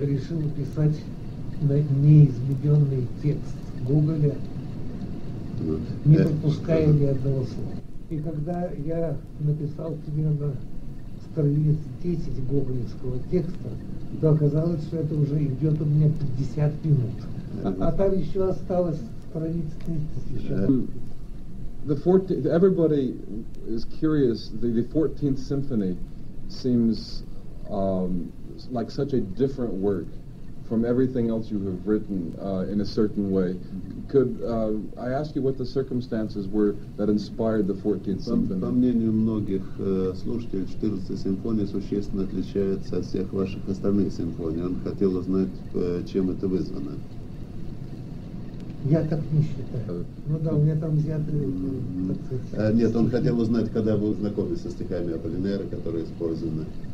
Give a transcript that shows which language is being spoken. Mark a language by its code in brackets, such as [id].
[ru] Решил писать на неизведенный текст Гоголя, не пропуская ни одного слова. И когда я написал примерно страниц 10 гоголевского текста, то оказалось, что это уже идет у меня 50 минут. А там еще осталось страниц 30 еще. [en] Everybody is curious, the 14th symphony seems like such a different work from everything else you have written in a certain way. Could I ask you what the circumstances were that inspired the 14th symphony? [ru] По мнению многих слушателей, 14-я симфония существенно отличается от всех ваших остальных симфоний. Он хотел узнать, чем это вызвано. Я так не считаю. Ну да, у меня там взяты, так сказать. Нет, он хотел узнать, когда вы знакомились со стихами Аполлинера, которые использованы.